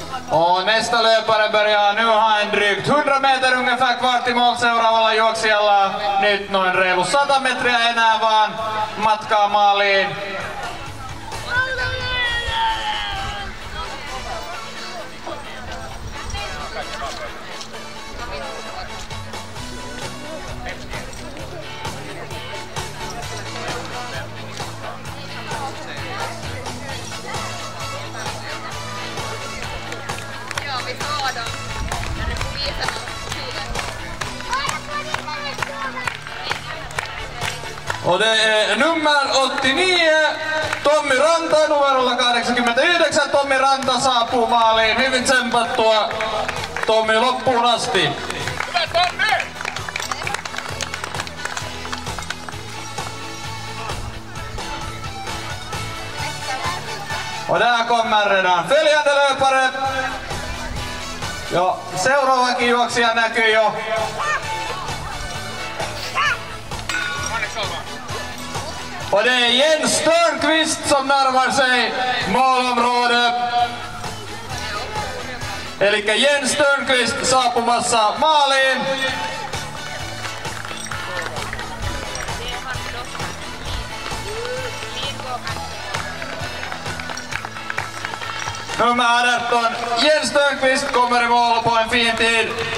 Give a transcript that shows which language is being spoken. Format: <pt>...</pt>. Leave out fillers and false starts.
<sv>Och nästa löpare börjar nu ha en drygt 100 meter ungefär kvar till mål.</sv> <fi>Seuraavalla juoksijalla nyt noin reilu 100 metriä enää vaan matkaa maaliin.</fi> <sv>Och det är nummer 89,</sv> <fi>Tommi Ranta, numerolla 89, Tommi Ranta saapuu maaliin, hyvin tsempattua Tommi loppuun asti. Hyvä Tommi!</fi> <sv>Och där kommer redan följande löpare.</sv> <fi>Ja seuraavakin juoksija näkyy jo.</fi> <sv>Och det är Jens Törnqvist som närmar sig målområdet.</sv> <fi>Elikkä Jens Törnqvist saapumassa maaliin.</fi> <sv>Nummer 18, Jens Törnqvist kommer i mål på en fin tid.</sv>